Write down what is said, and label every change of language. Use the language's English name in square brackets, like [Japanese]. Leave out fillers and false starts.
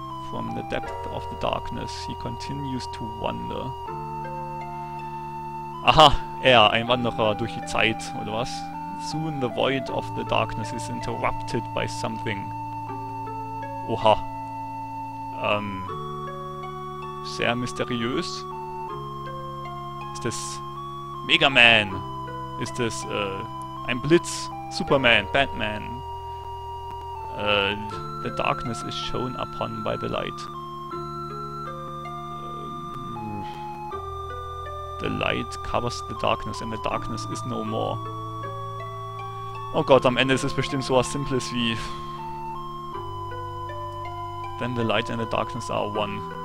[English] From the depth of the darkness, he continues to wander. [German] Aha, er, ein Wanderer durch die Zeit, oder was? [English] Soon the void of the darkness is interrupted by something. [German] Oha. Sehr mysteriös. Ist es Mega Man? Ist es ein Blitz? Superman, Batman. [English] The darkness is shown upon by the light. The light covers the darkness and the darkness is no more. [German] Oh Gott, am Ende ist es bestimmt so was Simples wie. [English] Then the light and the darkness are one.